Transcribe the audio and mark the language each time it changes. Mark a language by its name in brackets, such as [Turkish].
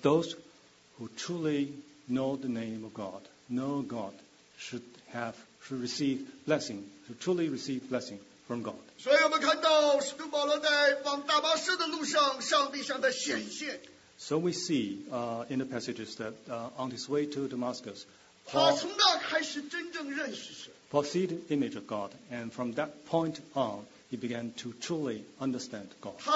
[English] those who truly know the name of God, know God, should receive blessing, should truly receive blessing from God. [Chinese] 所以我们看到使徒保罗在往大巴士的路上，上帝向他显现。 [English] So we see in the passages that on his way to Damascus, Paul see the image of God, and from that point on, he began to truly understand God.